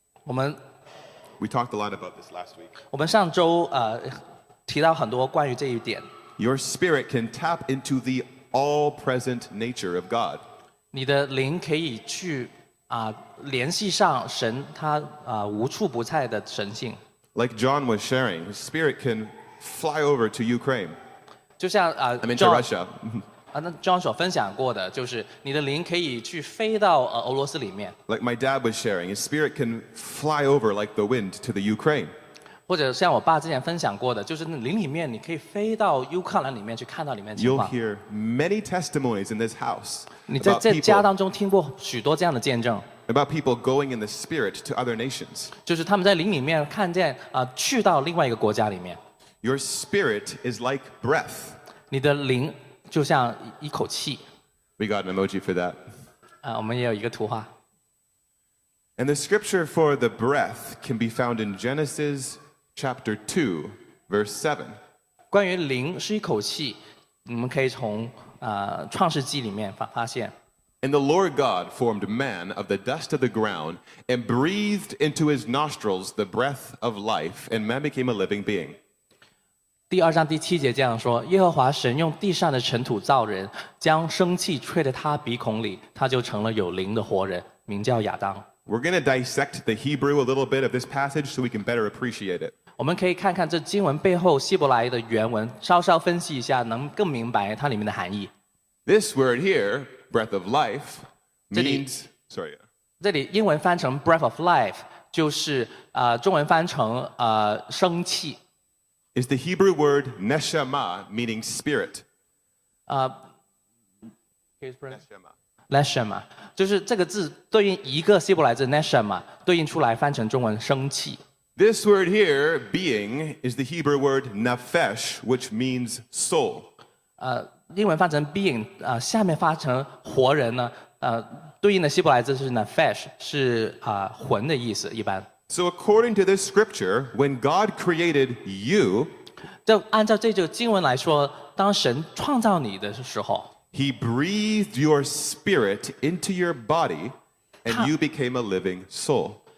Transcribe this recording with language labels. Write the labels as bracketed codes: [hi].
[en] We talked a lot about this last week. [zh] 我们上周提到很多关于这一点。 [en] Your spirit can tap into the all-present nature of God. [zh] 你的灵可以去联系上神他无处不在的神性。 [en] Like John was sharing, his spirit can fly over to Ukraine. [zh] 就像 [en] I mean to Russia. [zh] 那John所分享过的就是你的灵可以去飞到俄罗斯里面。 [en] Like my dad was sharing, his spirit can fly over like the wind to the Ukraine. [zh] 或者像我爸之前分享过的，就是灵里面你可以飞到乌克兰里面去看到里面情况。 [en] You'll hear many testimonies in this house. [zh] 你在这家当中听过许多这样的见证。 [en] About people going in the spirit to other nations. [zh] 就是他们在灵里面看见去到另外一个国家里面。 [en] Your spirit is like breath. [zh] 你的灵就像一口气。 [en] We got an emoji for that. [zh] 我们也有一个图画。 [en] And the scripture for the breath can be found in Genesis chapter 2, verse 7. [zh] 关于灵是一口气，我们可以从创世纪里面发现。 [en] And the Lord God formed man of the dust of the ground and breathed into his nostrils the breath of life, and man became a living being. [zh] 第二章第七节这样说，耶和华神用地上的尘土造人，将生气吹在他鼻孔里，他就成了有灵的活人，名叫亚当。 [en] We're going to dissect the Hebrew a little bit of this passage so we can better appreciate it. [zh] 我们可以看看这经文背后希伯来的原文，稍稍分析一下，能更明白它里面的含义。 [en] This word here, breath of life, means... Sorry. [zh] 这里英文翻成 [en] breath of life, [zh] 就是中文翻成生气。 [en] Is the Hebrew word neshama, meaning spirit. [zh] Neshama. 就是这个字对应一个希伯来字 neshama, 对应出来翻成中文生气。 [en] This word here, being, is the Hebrew word nafesh, which means soul. [zh] 英文翻成 being， 下面翻成活人呢，对应的希伯来字是 nefesh， 是魂的意思一般。 [en] So according to this scripture, when God created you， [zh] 就按照这句经文来说，当神创造你的时候， [en] He breathed your spirit into your body， and you became a living soul。